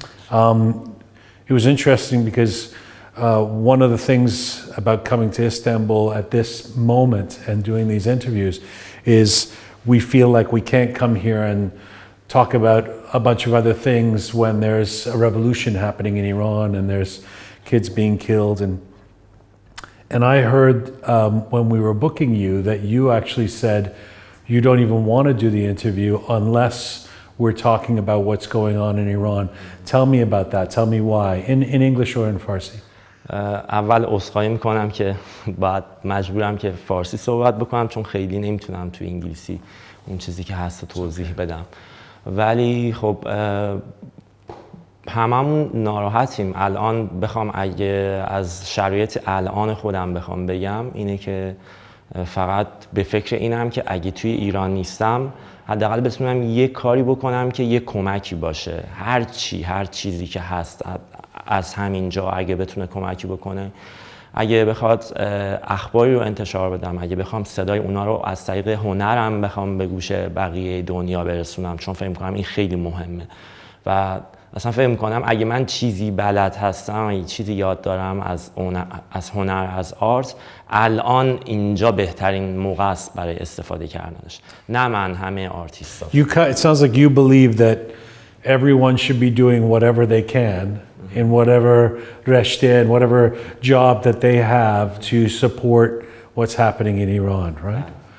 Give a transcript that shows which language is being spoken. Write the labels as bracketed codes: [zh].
[en] It was interesting because one of the things about coming to Istanbul at this moment and doing these interviews is we feel like we can't come here and talk about a bunch of other things when there's a revolution happening in Iran and there's kids being killed. And I heard when we were booking you that you actually said you don't even want to do the interview unless we're talking about what's going on in Iran. Tell me about that. Tell me why, in English or in Farsi. [fa] اول عذرخواهی میکنم که بعد مجبورم که فارسی صحبت بکنم چون خیلی نمیتونم تو انگلیسی اون چیزی که هست توضیح بدم ولی خب هممون ناراحتیم الان بخوام اگه از شرایط الان خودم بخوام بگم اینه که فقط به فکر اینم که اگه توی ایران نیستم حداقل بتونم یه کاری بکنم که یه کمکی باشه هر چیزی که هست از همینجا اگه بتونه کمکی بکنه اگه بخواد اخباری رو انتشار بدم اگه بخوام صدای اونا رو از طریق هنرم بخوام به گوش بقیه دنیا برسونم چون فکر می‌کنم این خیلی مهمه و اصلا فکر می‌کنم اگه من چیزی بلد هستم یه چیزی یاد دارم از هنر از آرت الان اینجا بهترین موقع است برای استفاده کردنش نه من همه آرتیست‌ها [en] It sounds like you believe that everyone should be doing whatever they can in whatever reshte, in whatever job that they have to support what's happening in Iran, right?